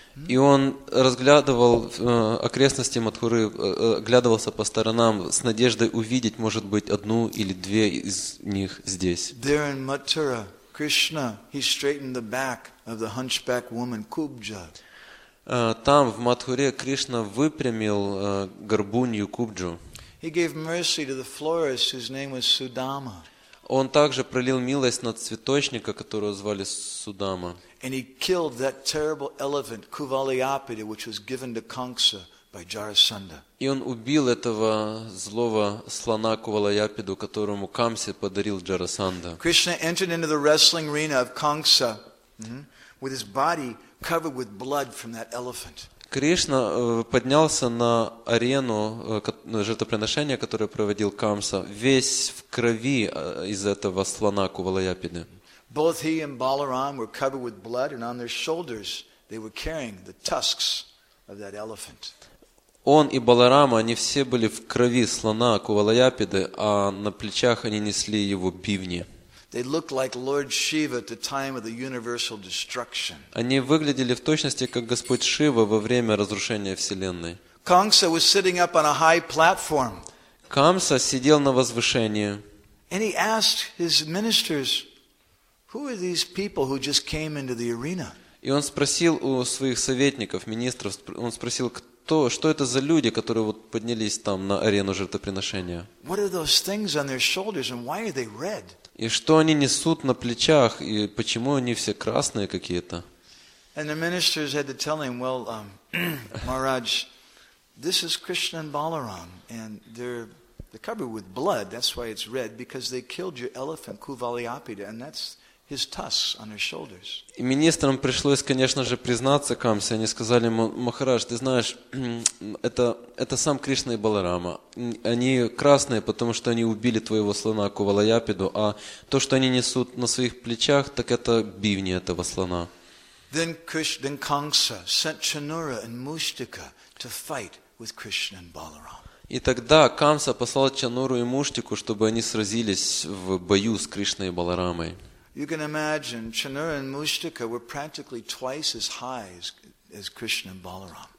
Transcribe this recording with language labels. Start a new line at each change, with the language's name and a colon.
Russian: И он разглядывал окрестности Матхуры, оглядывался по сторонам с надеждой увидеть, может быть, одну или две из них здесь.
English: There in Mathura, Krishna, he straightened the back of the hunchback woman Kubja.
Russian: Там в Матхуре Кришна выпрямил горбунью Кубджу.
English: He gave mercy to the florist whose name was Sudama.
Russian: Он также пролил милость на цветочника, которого звали Судама.
English: And he killed that terrible elephant Kuvalyapati, which was given to Kamsa by Jarasandha.
Russian: И он убил этого злого слона Кувалаяпиду, которому Камсе подарил Джарасанда.
English: Krishna entered into the wrestling arena of Kamsa with his body covered with blood from that elephant.
Russian: Кришна поднялся на арену жертвоприношения, которое проводил Камса, весь в крови из этого слона Кувалаяпиды.
English: Both he and Balaram were covered with blood, and on their shoulders they were carrying the tusks of that elephant.
Russian: Он и Баларама, они все были в крови слона Кувалаяпиды, а на плечах они несли его бивни.
English: They looked like Lord Shiva at the time of the universal destruction.
Russian: Они выглядели в точности как Господь Шива во время разрушения вселенной.
English: Kamsa was sitting up on a high platform.
Russian: Камса сидел на возвышении.
English: And he asked his ministers, who are these people who just came into the arena?
Russian: И он спросил у своих советников, министров, он спросил, кто, что это за люди, которые вот поднялись там на арену жертвоприношения?
English: What are those things on their shoulders and why are they red?
Russian: И что они несут на плечах и почему они все красные какие-то?
English: And the ministers had to tell him, well, Maharaj, this is Krishna and Balaram, and they're covered with blood. That's why it's red, because they killed your elephant Kuvalyapita, and that's his tusks on his shoulders.
Russian: И министрам пришлось, конечно же, признаться Камсе. Они сказали ему: Махарадж, ты знаешь, это сам Кришна и Баларама. Они красные, потому что они убили твоего слона Кувалаяпиду, а то, что они несут на своих плечах, так это бивни этого слона.
English: Then Kamsa sent Chanura and Mushtika to fight with Krishna and Balaram.
Russian: И тогда Камса послал Чануру и Муштику, чтобы они сразились в бою с Кришной и Баларамой.
English: You can imagine Chanura and Mushtika were practically twice as high as Krishna and Balaram.